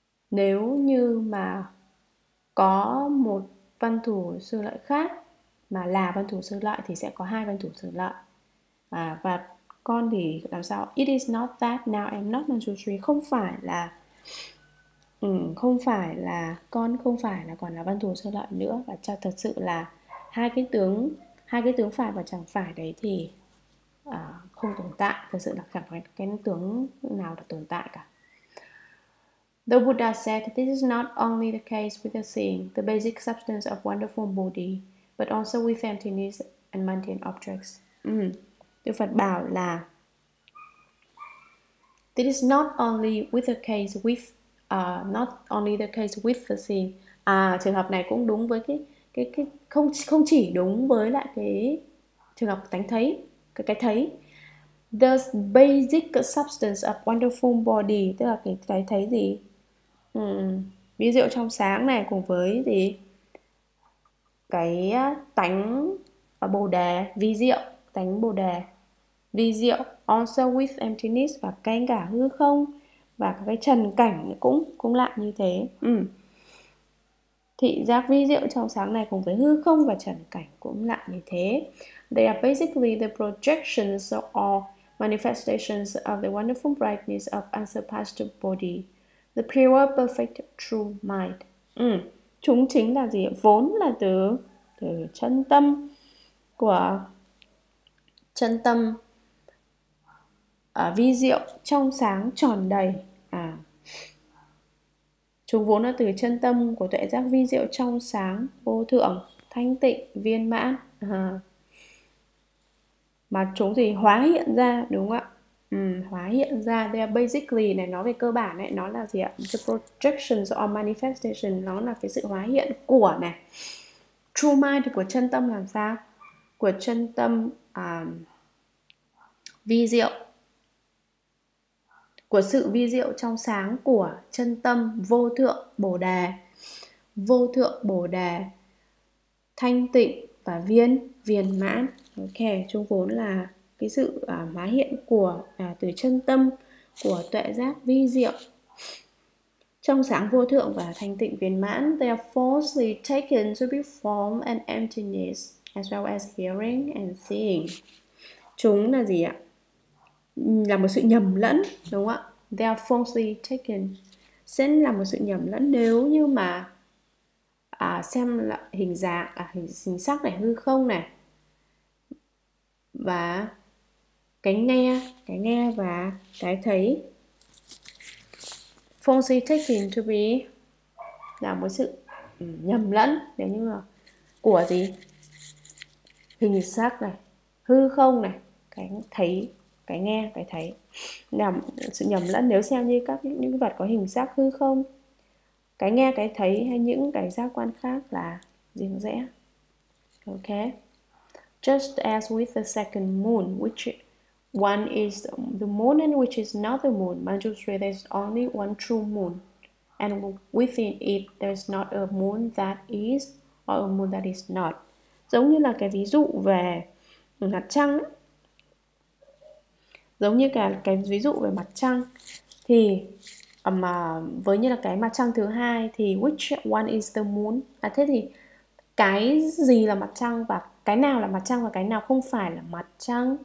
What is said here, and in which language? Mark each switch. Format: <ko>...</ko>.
<vi>Nếu như mà có một văn thủ sư lợi khác mà là văn thủ sư lợi thì sẽ có hai văn thủ sư lợi. Và con thì làm sao?</vi> <en>It is not that, now I am not Manjushri.</en> <vi>Không phải là con không phải là còn là văn thù sư lợi nữa. Và cho thật sự là hai cái tướng phải và chẳng phải đấy thì không tồn tại. Thật sự là chẳng phải cái tướng nào là tồn tại cả.</vi> <en>The Buddha said this is not only the case with the seeing, the basic substance of wonderful body, but also with emptiness and mundane objects.</en> <vi>Đức Phật bảo là</vi> <en>this is not only with the case with not only the case with the seeing.</en> <vi>À, trường hợp này cũng đúng với cái không chỉ đúng với lại cái trường hợp tánh thấy, cái thấy.</vi> <en>The basic substance of wonderful body,</en> <vi>tức là cái thấy gì? Ví dụ trong sáng này cùng với gì? Cái tánh bồ đề, vi diệu, tánh bồ đề, vi diệu.</vi> <en>Also with emptiness,</en> <vi>và cái cả hư không. Và cái trần cảnh cũng lạ như thế. Thị giác vi diệu trong sáng này cùng với hư không và trần cảnh cũng lạ như thế.</vi> <en>They are basically the projections or manifestations of the wonderful brightness of unsurpassed body, the pure perfect true mind.</en> <vi>Chúng chính là gì? Vốn là từ chân tâm của chân tâm vi diệu trong sáng tròn đầy. Chúng vốn là từ chân tâm của tuệ giác vi diệu trong sáng, vô thượng, thanh tịnh, viên mãn. Mà chúng thì hóa hiện ra, đúng không ạ? Hóa hiện ra.</vi> <en>They are basically,</en> <vi>này nói về cơ bản ấy, nó là gì ạ?</vi> <en>The projections or manifestation,</en> <vi>nó là cái sự hóa hiện của này.</vi> <en>True mind</en> <vi>của chân tâm làm sao? Của chân tâm vi diệu. Của sự vi diệu trong sáng của chân tâm vô thượng bồ đề. Vô thượng bồ đề. Thanh tịnh, và viên, viên mãn. Ok, chung vốn là cái sự má hiện của từ chân tâm của tuệ giác vi diệu trong sáng vô thượng và thanh tịnh viên mãn.</vi> <en>They are falsely taken to be form and emptiness as well as hearing and seeing.</en> <vi>Chúng là gì ạ? Là một sự nhầm lẫn, đúng không ạ?</vi> <en>They are falsely taken.</en> <vi>Sẽ là một sự nhầm lẫn nếu như mà xem là hình dạng, hình sắc này, hư không này, và cái nghe và cái thấy.</vi> <en>Falsely taken to be</en> <vi>là một sự nhầm lẫn nếu như mà của gì, hình sắc này, hư không này, cái thấy, cái nghe, cái thấy, làm sự nhầm lẫn nếu xem như các những vật có hình sắc hư không, cái nghe, cái thấy hay những cái giác quan khác là riêng rẽ.</vi> <en>Ok, just as with the second moon, which one is the moon and which is not the moon. Manjushri, there is only one true moon, and within it, there is not a moon that is or a moon that is not.</en> <vi>Giống như là cái ví dụ về mặt trăng ấy. Giống như cả cái ví dụ về mặt trăng thì mà với như là cái mặt trăng thứ hai thì</vi> <en>which one is the moon?</en> <vi>À, thế thì cái gì là mặt trăng và cái nào là mặt trăng và cái nào không phải là mặt trăng?</vi>